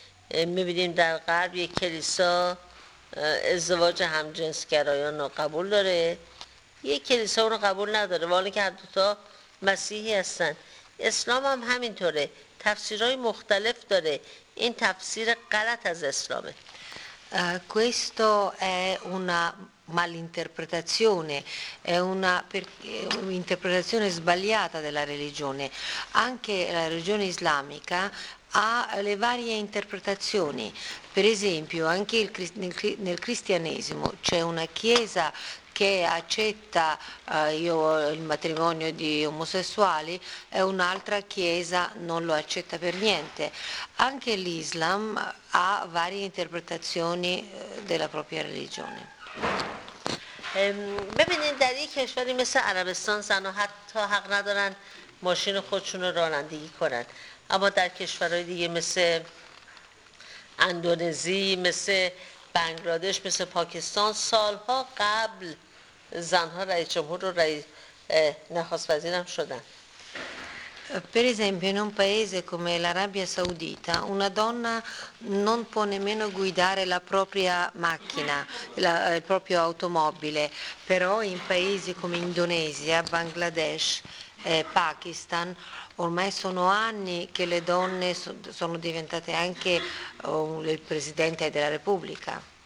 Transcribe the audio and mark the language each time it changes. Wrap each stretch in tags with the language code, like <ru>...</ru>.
<fa>میبینیم در غرب یک کلیسا ازدواج همجنسگرایان رو قبول داره، یه کلیسا رو قبول نداره، ولی که هر دوتا مسیحی هستن. اسلام هم همینطوره، تفسیرهای مختلف داره. این تفسیر غلط از اسلامه.</fa> <it>Questo è una malinterpretazione, è una interpretazione sbagliata della religione. Anche la religione islamica ha le varie interpretazioni. Per esempio, anche nel cristianesimo c'è una chiesa che accetta il matrimonio di omosessuali e un'altra chiesa non lo accetta per niente. Anche l'Islam ha varie interpretazioni della propria religione.</it> <fa>ببینید در یک کشوری مثل عربستان زن ها حتی حق ندارن ماشین خودشون رو رانندگی کنن، اما در کشورهای دیگه مثل اندونزی، مثل بنگلادش، مثل پاکستان سالها قبل زنها رئیس جمهور و نخست وزیرم شدن.</fa> <it>Per esempio, in un paese come l'Arabia Saudita, una donna non può nemmeno guidare la propria macchina, il proprio automobile, però in paesi come Indonesia, Bangladesh, Pakistan, ormai sono anni che le donne sono diventate anche il Presidente della Repubblica.</it>